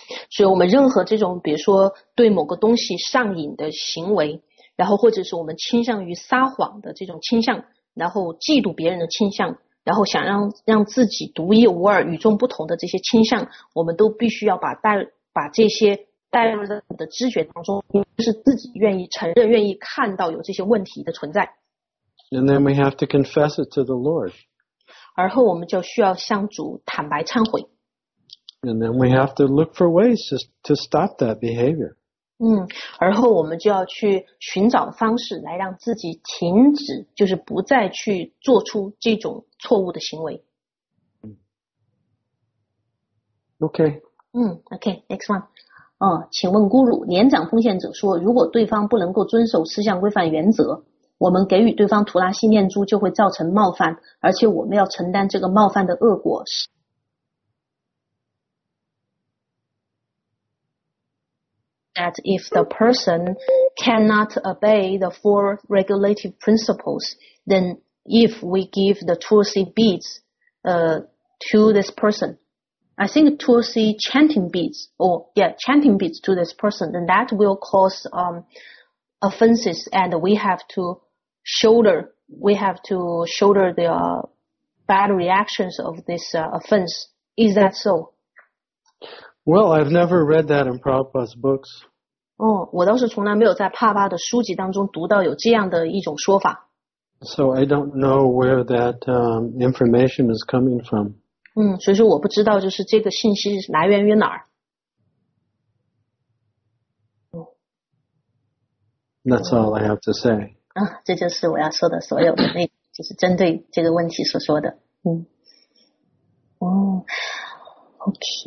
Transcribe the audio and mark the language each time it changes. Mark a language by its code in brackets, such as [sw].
[zh] 所以我们任何这种比如说对某个东西上瘾的行为，然后或者是我们倾向于撒谎的这种倾向，然后嫉妒别人的倾向，然后想让自己独一无二与众不同的这些倾向，我们都必须要把这些带入到你的知觉当中，就是自己愿意承认愿意看到有这些问题的存在。 [en] And then we have to confess it to the Lord. [zh] 而后我们就需要向主坦白忏悔。 [en] And then we have to look for ways to stop that behavior. [zh] 而后我们就要去寻找方式来让自己停止，就是不再去做出这种错误的行为。 [en] Okay. Okay, next one. [zh] 请问 Guru, 年长奉献者说，如果对方不能够遵守四项规范原则，我们给予对方图拉西念珠就会造成冒犯，而且我们要承担这个冒犯的恶果。 [en] That if the person cannot obey the four regulative principles, then if we give the Tulsi beads to this person, I think Tulsi chanting beads, chanting beads to this person, then that will cause offenses, and we have to shoulder the bad reactions of this offense. Is that so? Well, I've never read that in Prabhupada's books. [zh] 我倒是从来没有在帕巴的书籍当中读到有这样的一种说法。 [en] So I don't know where that information is coming from. [zh] 所以说我不知道就是这个信息来源于哪儿。 [en] That's all I have to say. [zh] 这就是我要说的所有的那就是针对这个问题所说的。 [en] OK。